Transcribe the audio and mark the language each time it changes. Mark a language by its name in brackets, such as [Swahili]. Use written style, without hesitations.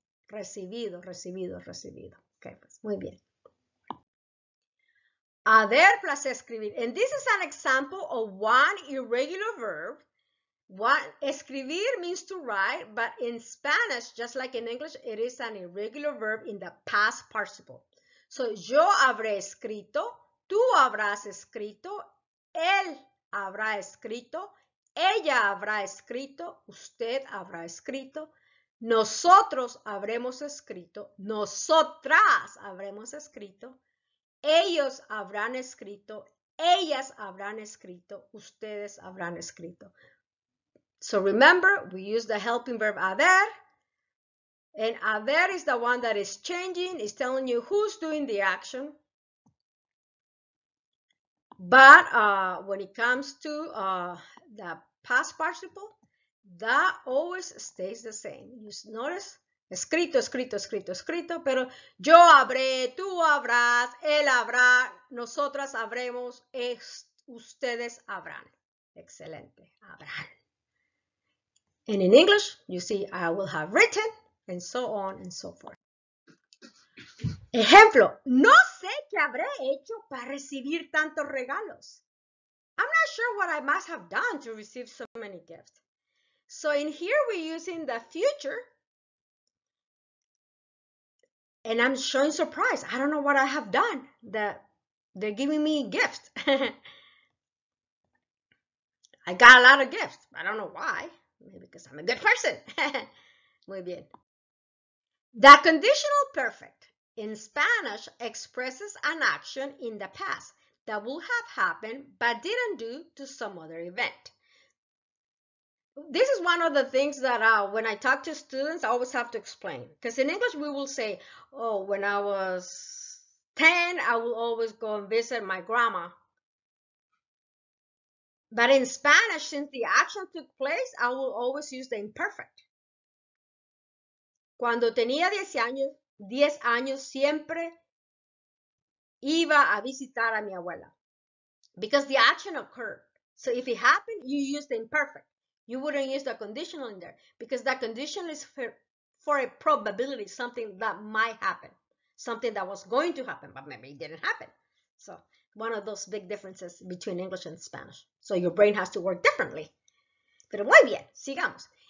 [Spanish] Recibido, recibido, recibido. Okay, pues, muy bien. [English] Haber plus escribir. And this is an example of one irregular verb. What escribir means to write, but in Spanish, just like in English, it is an irregular verb in the past participle. [Spanish] So yo habré escrito, tú habrás escrito, él habrá escrito, Ella habrá escrito, usted habrá escrito, nosotros habremos escrito, nosotras habremos escrito, ellos habrán escrito, ellas habrán escrito, ustedes habrán escrito. [English] So remember, we use the helping verb haber, and haber is the one that is changing, is telling you who's doing the action. But when it comes to the past participle, that always stays the same. You notice, [Spanish] escrito, escrito, escrito, escrito, pero yo habré, tú habrás, él habrá, nosotras habremos, ustedes habrán. Excelente, habrán. [English] And in English, you see, I will have written, and so on and so forth. [Spanish] Ejemplo, no sé qué habré hecho para recibir tantos regalos. [English] I'm not sure what I must have done to receive so many gifts. So in here, we're using the future. And I'm showing surprise. I don't know what I have done. They're giving me gifts. I got a lot of gifts. I don't know why. Maybe because I'm a good person. [Spanish] Muy bien. [English] The conditional perfect in Spanish expresses an action in the past that would have happened but didn't do to some other event. This is one of the things that when I talk to students, I always have to explain. Because in English, we will say, oh, when I was 10, I will always go and visit my grandma. But in Spanish, since the action took place, I will always use the imperfect. [Spanish] Cuando tenía 10 años, siempre iba a visitar a mi abuela. [English] Because the action occurred. So if it happened, you use the imperfect. You wouldn't use the conditional in there because that conditional is for a probability, something that might happen, something that was going to happen, but maybe it didn't happen. So one of those big differences between English and Spanish. So your brain has to work differently. [Spanish] Pero muy bien, sigamos.